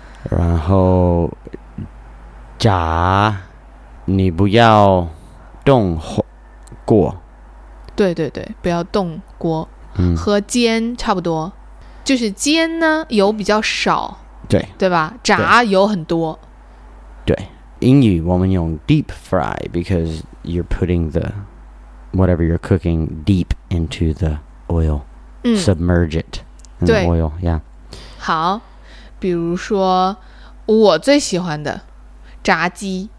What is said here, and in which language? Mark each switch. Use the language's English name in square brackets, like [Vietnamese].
[Chinese] 然后炸，你不要动锅。对对对，不要动锅，和煎差不多，就是煎呢油比较少，对对吧？炸油很多，对。英语我们用 [English] deep fry because you're putting the whatever you're cooking deep into the oil, submerge it in the oil. Yeah. [Chinese] 好，比如说我最喜欢的炸鸡。